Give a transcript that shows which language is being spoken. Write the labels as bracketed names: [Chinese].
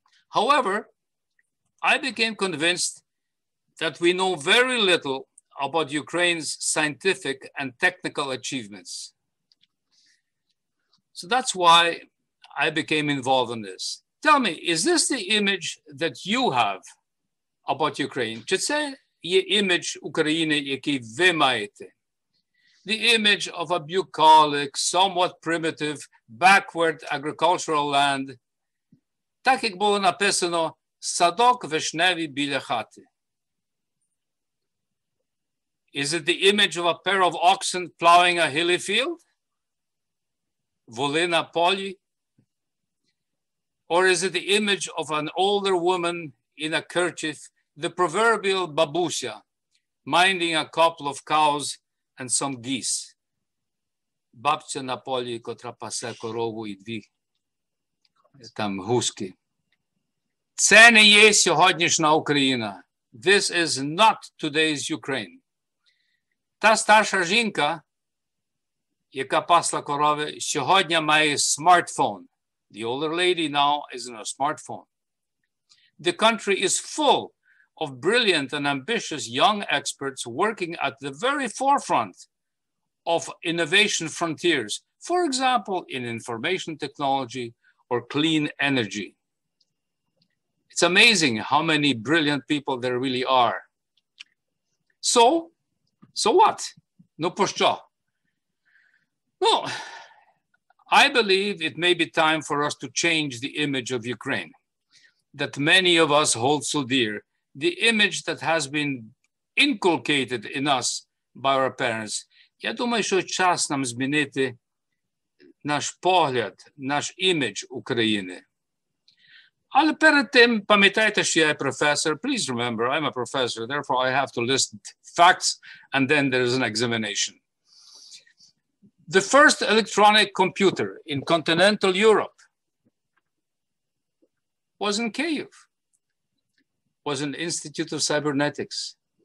[English] However, I became convinced that we know very little about Ukraine's scientific and technical achievements. So that's why I became involved in this. Tell me, is this the image that you have about Ukraine? [Ukrainian] Чи це є імідж України, який ви маєте? [English] The image of a bucolic, somewhat primitive, backward agricultural land. [Ukrainian] Так як було написано, садок вишневий біля хати. [English] Is it the image of a pair of oxen plowing a hilly field? [Ukrainian] Воли на полі? [English] Or is it the image of an older woman in a kerchief, the proverbial бабуся, minding a couple of cows and some geese? [Ukrainian] Бабця на полі, котра пасе корову і дві там гуски. Це не є сьогоднішня Україна. [English] This is not today's Ukraine. [Ukrainian] Та старша жінка, яка пасла корови, сьогодні має смартфон. [English] The older lady now is in a smartphone. The country is full of brilliant and ambitious young experts working at the very forefront of innovation frontiers, for example, in information technology or clean energy. It's amazing how many brilliant people there really are. So what? [Ukrainian] Ну, по що? [English] Ну, I believe it may be time for us to change the image of Ukraine that many of us hold so dear, the image that has been inculcated in us by our parents. [Ukrainian] Я думаю, що час нам змінити наш погляд, наш імідж України. Але перед тим, пам'ятайте, що я професор. [English] Please remember, I'm a professor, therefore I have to list facts, and then there is an examination. The first electronic computer in continental Europe was in Kyiv, was an Institute of Cybernetics.